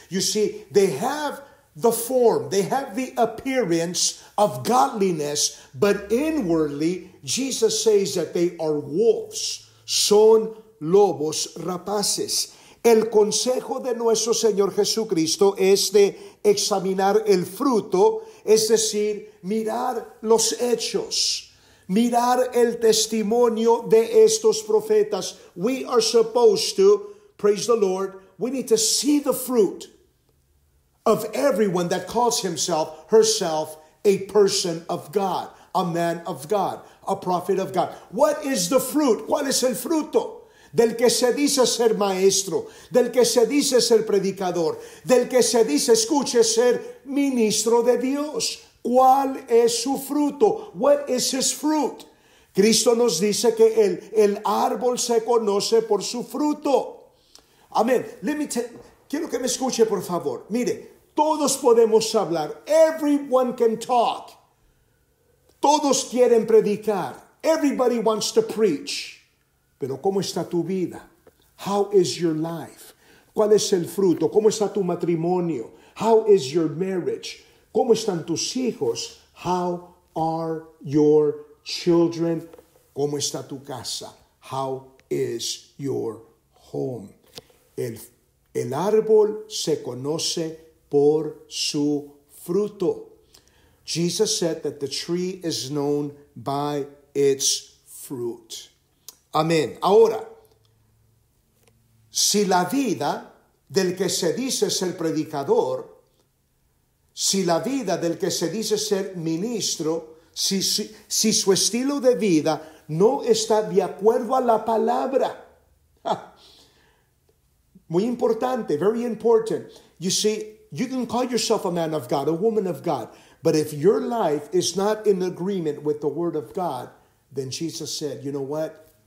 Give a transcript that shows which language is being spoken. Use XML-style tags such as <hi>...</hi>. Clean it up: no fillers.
<en>You see, they have the form, they have the appearance of godliness, but inwardly, Jesus says that they are wolves.</en> <es>Son lobos rapaces. El consejo de nuestro Señor Jesucristo es de examinar el fruto, es decir, mirar los hechos, mirar el testimonio de estos profetas.</es> <en>We are supposed to, praise the Lord, we need to see the fruit of everyone that calls himself, herself, a person of God, a man of God, a prophet of God. What is the fruit?</en> <es>¿Cuál es el fruto? del que se dice ser maestro, del que se dice ser predicador, del que se dice, escuche, ser ministro de Dios. ¿Cuál es su fruto?</es> <en>What is his fruit?</en> <es>Cristo nos dice que el árbol se conoce por su fruto. Amén. Quiero que me escuche, por favor. Mire, todos podemos hablar.</es> <en>Everyone can talk.</en> <es>Todos quieren predicar.</es> <en>Everybody wants to preach.</en> <es>Pero ¿cómo está tu vida?</es> <en>How is your life?</en> <es>¿Cuál es el fruto? ¿Cómo está tu matrimonio?</es> <en>How is your marriage?</en> <es>¿Cómo están tus hijos?</es> <en>How are your children?</en> <es>¿Cómo está tu casa?</es> <en>How is your home?</en> <es>El árbol se conoce por su fruto.</es> <en>Jesus said that the tree is known by its fruit.</en> <es>Amén. Ahora, si la vida del que se dice ser predicador, si la vida del que se dice ser ministro, si su estilo de vida no está de acuerdo a la palabra. Muy importante,</es> <en>very important. You see, you can call yourself a man of God, a woman of God, but if your life is not in agreement with the word of God, then Jesus said, you know what?</en>